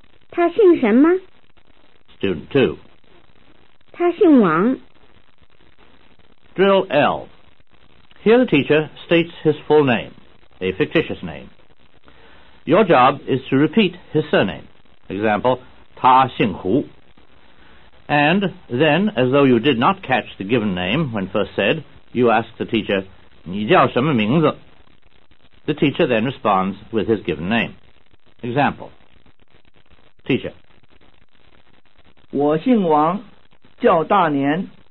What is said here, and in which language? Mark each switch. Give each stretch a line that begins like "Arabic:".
Chinese: 他姓什么？
English: Student 2。
Chinese: 他姓王。
English: Drill L. Here the teacher states his full name, a fictitious name. Your job is to repeat his surname. Example,
Chinese: 他姓胡。
English: And then, as though you did not catch the given name when first said, you ask the teacher,
Chinese: 你叫什么名字？
English: The teacher then responds with his given name. Example. teacher.
Chinese: 我姓王，叫大年。